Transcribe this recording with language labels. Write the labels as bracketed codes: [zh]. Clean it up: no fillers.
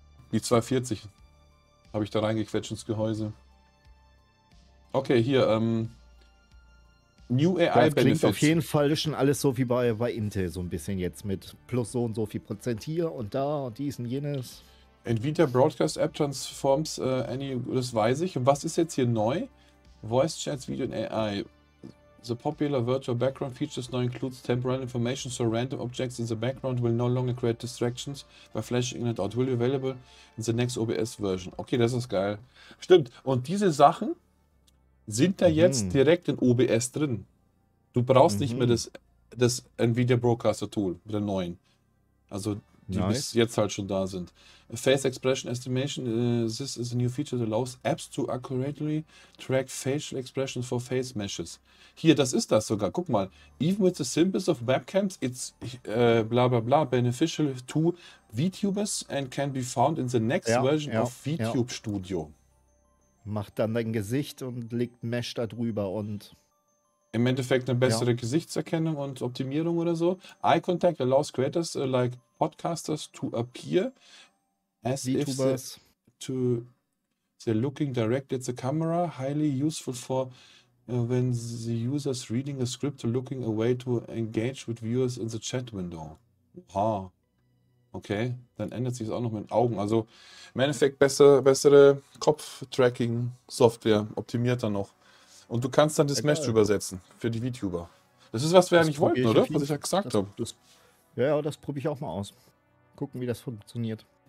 [de] Die 240 habe ich da reingequetscht ins Gehäuse. Okay, hier. [en] New AI Benefits. [de] Das klingt auf jeden Fall schon alles so wie bei Intel, so ein bisschen jetzt mit plus so und so viel Prozent hier und da und dies und jenes. [en] NVIDIA Broadcast App Transforms Any, [de] das weiß ich. Und was ist jetzt hier neu? [en] Voice Chats, Video und AI. The popular virtual background features now includes temporal information, so random objects in the background will no longer create distractions by flashing in and out. Will be available in the next OBS version. [de] Okay, das ist geil. Stimmt. Und diese Sachen sind da jetzt direkt in OBS drin. Du brauchst nicht mehr das NVIDIA Broadcaster Tool mit der neuen. Also die bis jetzt halt schon da sind. [en] Face Expression Estimation, this is a new feature that allows apps to accurately track facial expressions for face meshes. [de] Hier, das ist das sogar. Guck mal, [en] even with the simplest of webcams, it's bla bla bla beneficial to VTubers and can be found in the next version of VTube Studio. [de] Macht dann dein Gesicht und legt Mesh da drüber und... Im Endeffekt eine bessere Gesichtserkennung und Optimierung oder so. [en] Eye Contact allows creators like podcasters to appear as VTubers. If they're looking directly at the camera. Highly useful for when the user's reading a script or looking away to engage with viewers in the chat window. Aha. [de] Okay, dann ändert sich es auch noch mit Augen. Also im Endeffekt bessere Kopf-Tracking-Software, optimierter noch. Und du kannst dann das Mesh übersetzen für die VTuber. Das ist, was wir eigentlich wollten, oder? Was ich ja gesagt habe. Ja, das probiere ich auch mal aus. Gucken, wie das funktioniert.